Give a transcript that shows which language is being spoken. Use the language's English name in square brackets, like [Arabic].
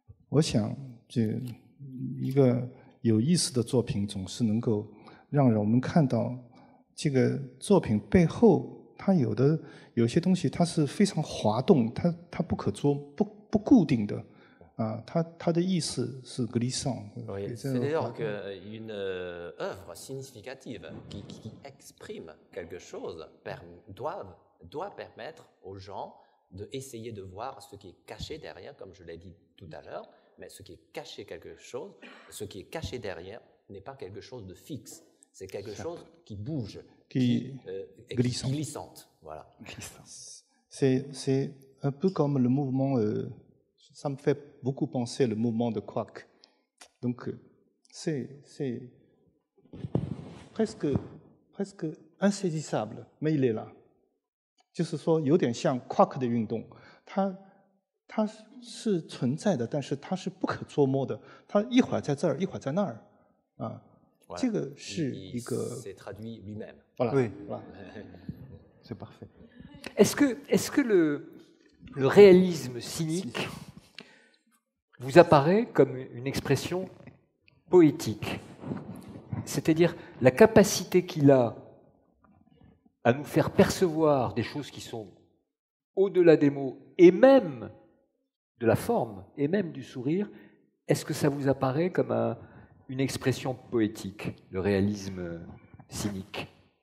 [French] Je pense que une œuvre intéressante peut nous montrer [Chinese] 这个作品背后，它有的有些东西，它是非常滑动，它不可捉不固定的，它的意思是 glissant. [French] C'est-à-dire qu'une œuvre significative qui exprime quelque chose doit permettre aux gens d'essayer de voir ce qui est caché derrière, comme je l'ai dit tout à l'heure, mais ce qui est caché quelque chose, ce qui est caché derrière n'est pas quelque chose de fixe, c'est quelque chose qui bouge, qui est glissante. Voilà. C'est un peu comme le mouvement, ça me fait beaucoup penser le mouvement de Quack. Donc, c'est presque insaisissable, mais il est là. [Chinese] 就是说有点像Quark的运动 它是存在的 但是它是不可捉摸的 它一会儿在这儿一会儿在那儿 啊, voilà, 这个是一个 [French] c'est traduit lui-même voilà, oui. voilà. c'est parfait est-ce que le réalisme cynique vous apparaît comme une expression poétique c'est-à-dire la capacité qu'il a à nous faire percevoir des choses qui sont au-delà des mots et même de la forme et même du sourire, est-ce que ça vous apparaît comme une expression poétique, le réalisme cynique ?